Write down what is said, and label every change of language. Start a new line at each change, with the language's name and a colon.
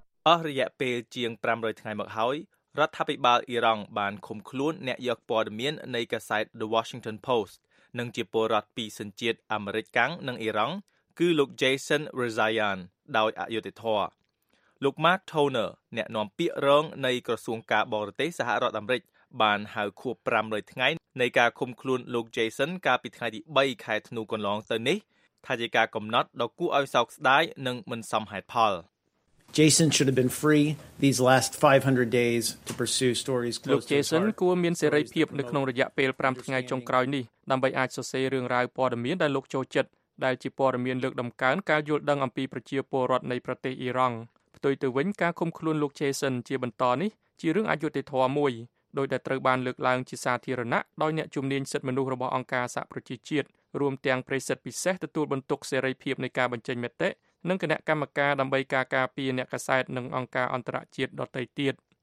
Khmer: អស់រយៈពេលជាង500ថ្ងៃមកហើយរដ្ឋាភិបាលអ៊ីរ៉ង់បានឃុំខ្លួនអ្នកយកព័ត៌មាននៃកាសែត The Washington Post និងជាពលរដ្ឋពីសញ្ជាតិអាមេរិកកាំងនិងអ៊ីរ៉ង់គឺលោក Jason Rezaian ដោយអយុត្តិធម៌លោក Mark Toner អ្នកនាំពាក្យរងនៃក្រសួងការបរទេសសហរដ្ឋអាមេរិកបានហៅខួប500ថ្ងៃនៃការឃុំខ្លួនលោក Jason កាលពីថ្ងៃទី3ខែធ្នូកន្លងទៅនេះថាជាការកំណត់ដ៏គួរឲ្យសោកស្ដាយនិងមិនសមហេតុផល
English: Jason should have been free these last 500 days to pursue stories close to his heart.
Khmer: លោក Jason គួរមានសេរីភាពនៅក្នុងរយៈពេល5ថ្ងៃចុងក្រោយនេះដើម្បីអាចសរសេររឿងរ៉ាវព័ត៌មានដែលលោកចូលចិត្តដែលជាព័ត៌មានលើកដំកើងការយល់ដឹងអំពីប្រជាពលរដ្ឋនៃប្រទេសអ៊ីរ៉ង់ផ្ទុយទៅវិញការឃុំខ្លួនលោក Jason ជាបន្តនេះជារឿងអយុត្តិធម៌មួយដោយដែលត្រូវបានលើកឡើងជាសាធារណៈដោយអ្នកជំនាញសិទ្ធិមនុស្សរបស់អង្គការសហប្រជាជាតិរួមទាំងប្រេសិដ្ឋពិសេសទទួលបន្ទុកសេរីភាពនៃការបញ្ចេញមតិនិងគណៈកម្មការដើម្បីការការពារអ្នកកសែតនិងអង្គការអន្តរជាតិដទៃទៀត